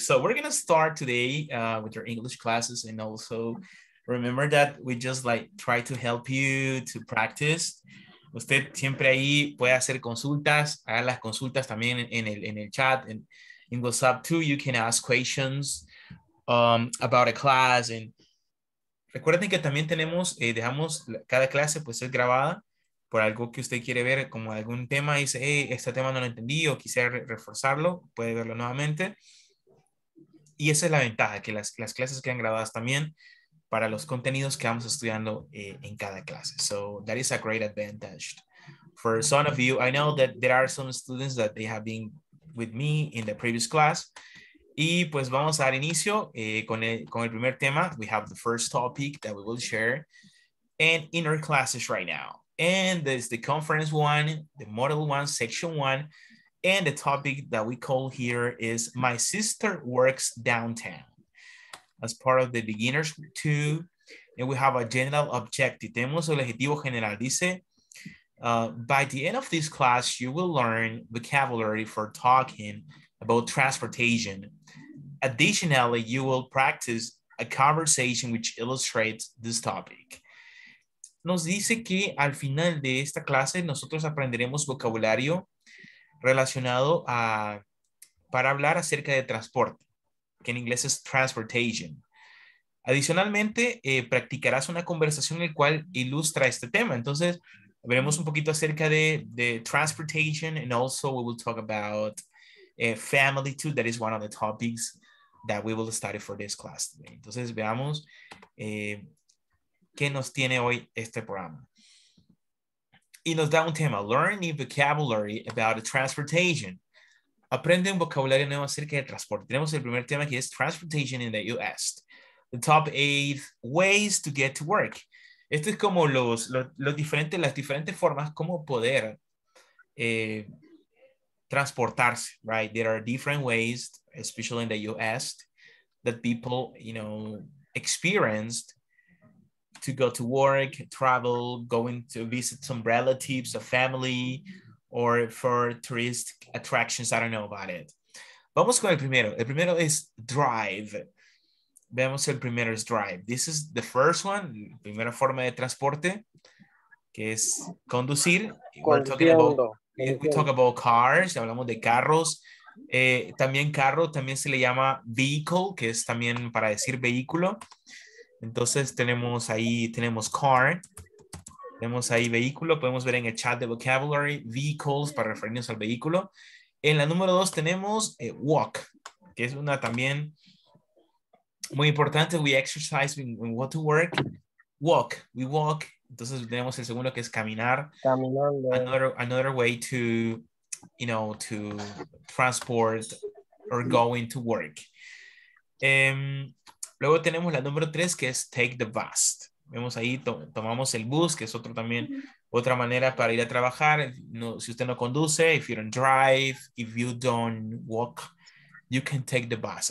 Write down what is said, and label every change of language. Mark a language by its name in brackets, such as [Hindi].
[English] So we're going to start today with your English classes and also remember that we just like try to help you to practice. [Spanish] Usted siempre ahí puede hacer consultas, haga las consultas también en el chat, en WhatsApp too. [English] You can ask questions about a class. [Spanish] And recuerden que también tenemos, dejamos cada clase pues es grabada por algo que usted quiere ver, como algún tema, y dice, hey, este tema no lo entendí o quisiera reforzarlo, puede verlo nuevamente. Y esa es la ventaja, que las clases quedan grabadas también para los contenidos que vamos estudiando en cada clase. [English] So that is a great advantage. For some of you, I know that there are some students that they have been with me in the previous class. [Spanish] Y pues vamos a dar inicio con el primer tema. [English] We have the first topic that we will share and in our classes right now. And there's the conference one, the model one, section one. And the topic that we call here is My Sister Works Downtown. As part of the beginners two, and we have a general objective. [Spanish] Tenemos el objetivo general. Dice, [English] by the end of this class, you will learn vocabulary for talking about transportation. Additionally, you will practice a conversation which illustrates this topic. [Spanish] Nos dice que al final de esta clase, nosotros aprenderemos vocabulario relacionado a, para hablar acerca de transporte, que en inglés es transportation. Adicionalmente, practicarás una conversación en la cual ilustra este tema. Entonces, veremos un poquito acerca de [English] transportation and also we will talk about family too. That is one of the topics that we will study for this class today. [Spanish] Entonces, veamos qué nos tiene hoy este programa. Y nos da un tema, [English] learn new vocabulary about transportation. [Spanish] Aprende un vocabulario nuevo acerca de transporte. Tenemos el primer tema que es [English] transportation in the U.S. The top 8 ways to get to work. [Spanish] Esto es como las diferentes formas como poder transportarse, right? [English] There are different ways, especially in the U.S., that people, you know, experienced to go to work, travel, going to visit some relatives, a family, or for tourist attractions. I don't know about it. [Spanish] Vamos con el primero. El primero es drive. Veamos el primero es drive. [English] This is the first one, [Spanish] primera forma de transporte, que es conducir. [English] We talk about cars, [Spanish] hablamos de carros. También carro, también se le llama vehicle, que es también para decir vehículo. Entonces tenemos car, tenemos ahí vehículo, podemos ver en el chat de vocabulary, vehicles para referirnos al vehículo. En la número dos tenemos walk, que es una también muy importante. [English] We exercise when we want to work, walk, we walk. [Spanish] Entonces tenemos el segundo que es caminar. Caminando. [English] Another way to, you know, to transport or going to work. [Spanish] Luego tenemos la número tres que es [English] take the bus. [Spanish] Vemos ahí, tomamos el bus, que es otro también, otra manera para ir a trabajar. No, si usted no conduce, [English] if you don't drive, if you don't walk, you can take the bus.